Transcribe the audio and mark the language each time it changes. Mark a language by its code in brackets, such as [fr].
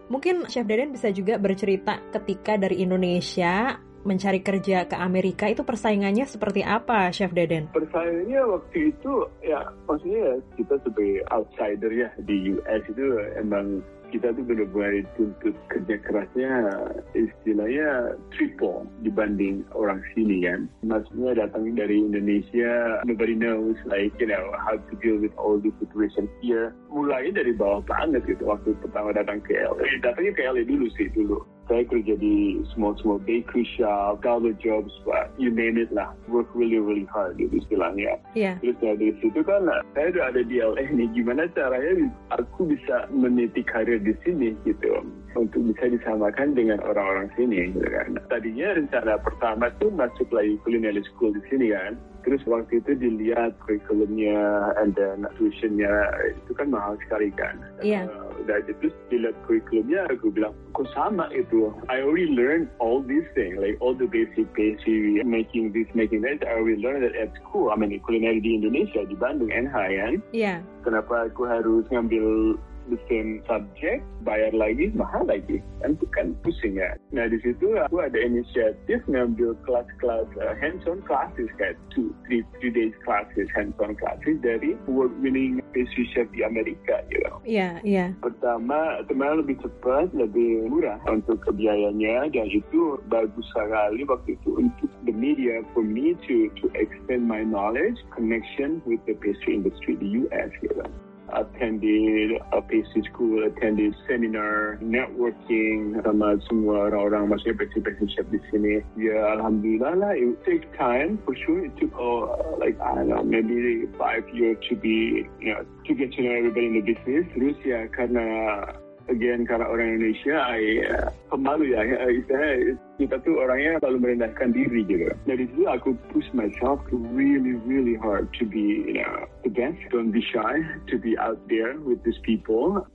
[id] Mungkin Chef Deden bisa juga bercerita ketika dari Indonesia mencari kerja ke Amerika, itu persaingannya seperti apa, Chef Deden? Persaingannya waktu itu, ya maksudnya kita sebagai outsider ya di US itu emang kita tuh benar-benar dituntut kerja kerasnya, istilahnya triple dibanding orang sini kan. Maksudnya datang dari Indonesia, [en] nobody knows like, you know, how to deal with all the situation here. [id] Mulai dari bawah banget gitu, waktu pertama datang ke LA. Datangnya ke LA dulu sih, dulu. Saya kerja di [en] small bakery shop, garlic jobs, you name it [id] lah. [en] Work really, really hard, [id] gitu istilahnya. [en] Yeah. [id] Terus dari situ kan, saya udah ada di LA nih. Gimana caranya aku bisa meniti karir di sini, gitu. Untuk bisa disamakan dengan orang-orang sini, gitu kan. Tadinya rencana pertama tuh masuk lagi culinary school di sini, kan. Terus waktu itu dilihat curriculumnya, and then tuition-nya, itu kan mahal sekali, kan. Iya. Dan itu dilihat curriculumnya, aku bilang, kok sama itu? [en] I already learned all these things, like all the basic pastry, making this, making that. I already learned it at school. I mean, [id] culinary di Indonesia, di Bandung, NH, kan. Iya. Kenapa aku harus ngambil [en] the same subject, [id] bayar lagi, mahal lagi. Dan itu kan pusing ya. Nah, di situ aku ada inisiatif ngambil kelas-kelas [en] hands-on classes, [id] kayak [en] 2-3 days classes, hands-on classes [id] dari [en] award-winning pastry chef [id] di Amerika, you know. Iya. Pertama, teman-teman lebih cepat, lebih murah untuk kebiayanya, dan itu bagus sekali waktu itu untuk [en] the media for me to extend my knowledge, connection with the pastry industry [id] di US, you know. [en] Attended a pastry school, attended seminar, networking [id] sama semua orang-orang masih [en] pastry chef di sini. [id] Ya, alhamdulillah lah. [en] It takes time for sure. It took maybe 5 years to get to know everybody in the business. [id] Terus ya, karena orang Indonesia, pemalu ya. Kita tuh orangnya selalu merendahkan diri gitu. Dari situ aku [en] push myself really, really hard to be, the best. Don't be shy to be out there with these people.